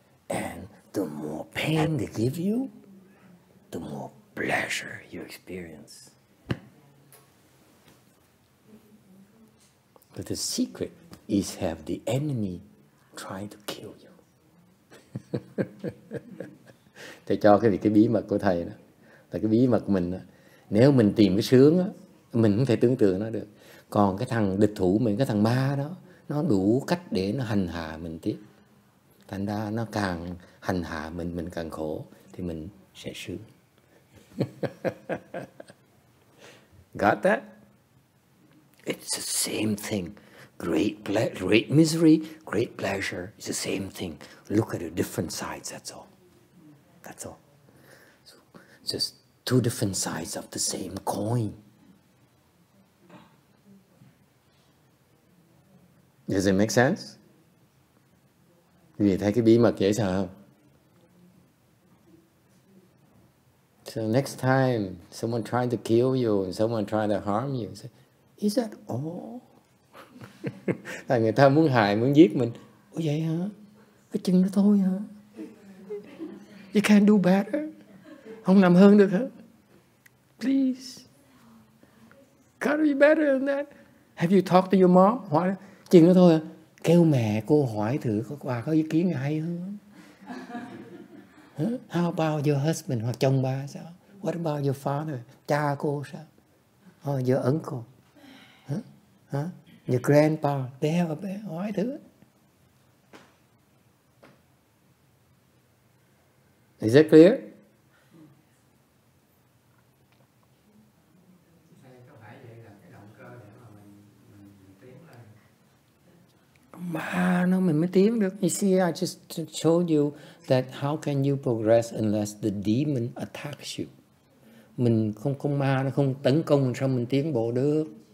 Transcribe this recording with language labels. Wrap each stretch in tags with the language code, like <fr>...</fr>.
<en>And the more pain they give you, the more pleasure you experience. But the secret is have the enemy try to kill you.</en> <vi>Thầy cho cái bí mật của thầy đó. Là cái bí mật mình đó. Nếu mình tìm cái sướng á, mình không thể tưởng tượng nó được. Còn cái thằng địch thủ mình, cái thằng ma đó, nó đủ cách để nó hành hạ mình tiếp. Thành ra nó càng hành hạ mình càng khổ, thì mình sẽ sướng.</vi> <en>Got that? It's the same thing. Great misery, great pleasure. It's the same thing. Look at the different sides, that's all. That's all. So, just two different sides of the same coin. Does it make sense?</en> <vi>Quý vị thấy cái bí mật dễ sợ không?</vi> <en>So next time someone trying to kill you and someone trying to harm you, say, is that all?</en> <vi>Là người ta muốn hại, muốn giết mình. Ủa vậy hả? Cái chân đó thôi hả?</vi> <en>You can't do better.</en> <vi>Không làm hơn được hả?</vi> <en>Please. Can't be better than that. Have you talked to your mom? Why?</en> <vi>Chừng đó thôi à. Kêu mẹ cô hỏi thử có bà có ý kiến hay hơn.</vi> <en>How about your husband</en> <vi>hoặc chồng bà sao?</vi> <en>What about your father?</en> <vi>Cha cô sao?</vi> <en>Or your uncle? Your grandpa? They have a bit.</en> <vi>Hỏi thử.</vi> <en>Is that clear?</en> <vi>Mà nó mình mới tiến được.</vi> <en>You see, I just showed you that how can you progress unless the demon attacks you.</en> <vi>Mình không có ma, nó không tấn công sao mình tiến bộ được.</vi>